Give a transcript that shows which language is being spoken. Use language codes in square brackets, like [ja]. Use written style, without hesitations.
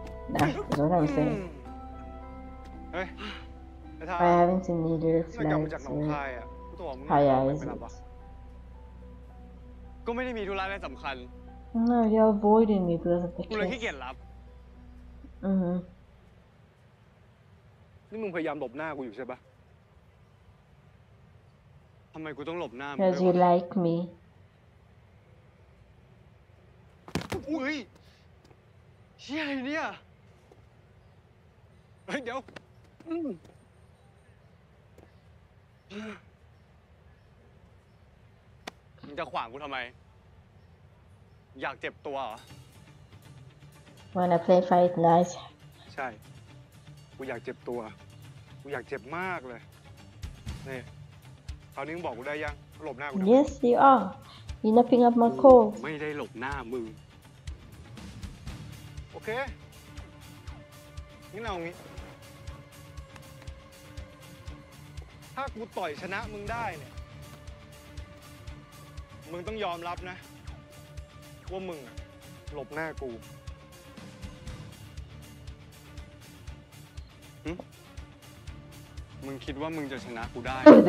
[en] Nah, that's what I'm saying. I haven't seen any red flags in Phaya, is it? No, you're avoiding me because of the case. [th] นี่มึงพยายามหลบหน้ากูอยู่ใช่ปะทำไมกูต้องหลบหน้ามึง [en] Cuz you like me [th] อุ้ยเหี้ยอะไรเนี่ยเฮ้ยเดี๋ยวมึงจะขวางกูทำไมอยากเจ็บตัวเหร [en] อ Wanna play fight night [th] ใช่กูอยากเจ็บตัวกูอยากเจ็บมากเลยนี่คราวนี้มึงบอกกูได้ยังหลบหน้ากู [en] Yes you are you're not picking up my call [th] ไม่ได้หลบหน้ามึงโอเคงี้เอางี้ถ้ากูต่อยชนะมึงได้เนี่ยมึงต้องยอมรับนะว่ามึงหลบหน้ากูมึงคิดว่ามึงจะชนะกูได